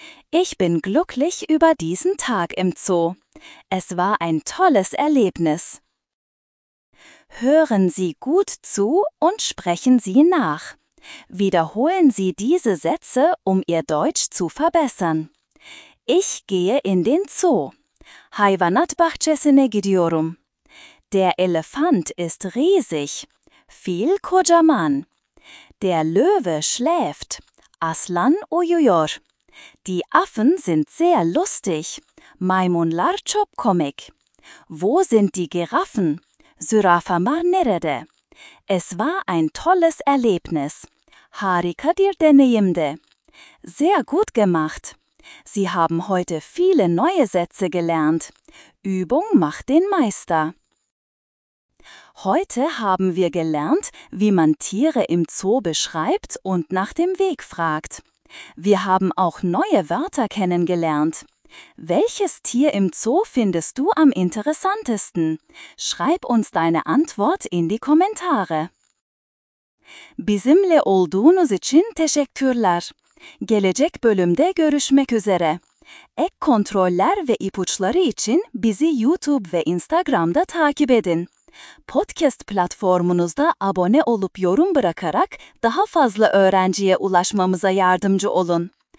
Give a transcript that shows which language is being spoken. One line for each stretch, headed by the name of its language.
German: Ich bin glücklich über diesen Tag im Zoo. Es war ein tolles Erlebnis. Hören Sie gut zu und sprechen Sie nach. Wiederholen Sie diese Sätze, um Ihr Deutsch zu verbessern. Ich gehe in den Zoo.
Turkish: Hayvanat bahçesine gidiyorum.
German: Der Elefant ist riesig.
Turkish: Fil kocaman.
German: Der Löwe schläft.
Turkish: Aslan uyuyor.
German: Die Affen sind sehr lustig.
Turkish: Maymunlar çok komik.
German: Wo sind die Giraffen?
Turkish: Zürafalar nerede?
German: Es war ein tolles Erlebnis.
Turkish: Harika bir deneyimdi.
German: Sehr gut gemacht. Sie haben heute viele neue Sätze gelernt. Übung macht den Meister. Heute haben wir gelernt, wie man Tiere im Zoo beschreibt und nach dem Weg fragt. Wir haben auch neue Wörter kennengelernt. Welches Tier im Zoo findest du am interessantesten? Schreib uns deine Antwort in die Kommentare.
Turkish: Bizimle olduğunuz için teşekkürler. Gelecek bölümde görüşmek üzere. Ek kontroller ve ipuçları için bizi YouTube ve Instagram'da takip edin. Podcast platformunuzda abone olup yorum bırakarak daha fazla öğrenciye ulaşmamıza yardımcı olun.